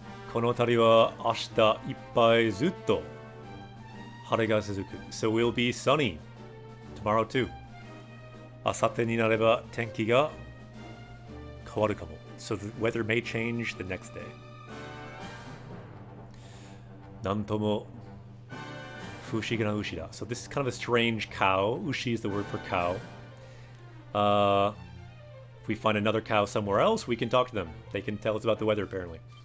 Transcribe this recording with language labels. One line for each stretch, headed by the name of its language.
Japanese: この度は明日いっぱいずっと晴れが続く.
English: So we'll be sunny tomorrow too.
Japanese: 明後日になれば天気が変わるかも.
English: So the weather may change the next day.
Japanese: なんとも不思議な牛だ.
English: So this is kind of a strange cow. Ushi is the word for cow. If we find another cow somewhere else, we can talk to them. They can tell us about the weather, apparently.